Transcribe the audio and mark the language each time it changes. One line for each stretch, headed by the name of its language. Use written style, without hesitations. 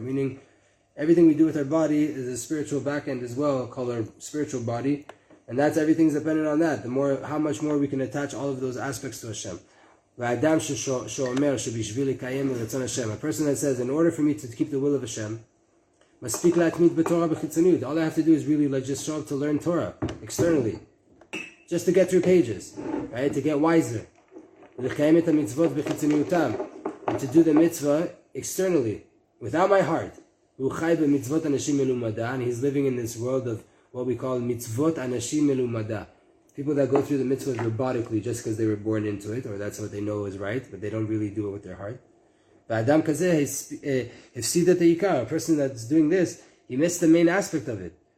English: Meaning, everything we do with our body is a spiritual back end as well, called our spiritual body, and that's everything's dependent on that. The more, how much more we can attach all of those aspects to Hashem.
Hebrew: והאדם שאומר שבשביל לקיים רצון השם,
English: a person that says, in order for me to keep the will of Hashem,
Hebrew: מספיק להתמיד בתורה בחיצוניות.
English: All I have to do is really like just show up to learn Torah, externally. Just to get through pages, right? To get wiser.
Hebrew: לקיים את המצוות בחיצוניותם.
English: And to do the mitzvah externally, without my heart.
Hebrew: הוא חי במצוות אנשים מלומדה,
English: and he's living in this world of what we call
Hebrew: מצוות אנשים מלומדה.
English: People that go through the mitzvah robotically just because they were born into it, or that's what they know is right, but they don't really do it with their heart.
Hebrew: Ba'adam kazeh hefsidat ha'ikar,
English: a person that's doing this, he missed the main aspect of it.